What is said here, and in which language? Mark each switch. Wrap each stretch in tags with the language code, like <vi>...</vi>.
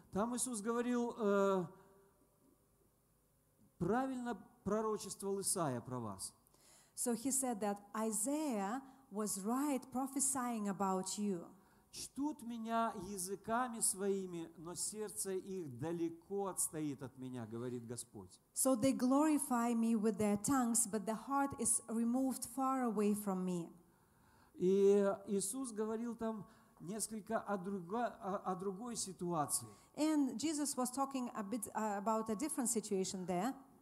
<ru>Там Иисус говорил, правильно пророчествовал Исаия про вас.</ru> <en>So he said that Isaiah was right prophesying about you.</en> <ru>Чтут меня языками своими, но сердце их далеко отстоит от меня, говорит Господь.</ru> <en>So they glorify me with their tongues, but the heart is removed far away from me.</en> <ru>И Иисус говорил там несколько о другой ситуации.</ru> <en>And Jesus was talking a bit about a different situation there.</en>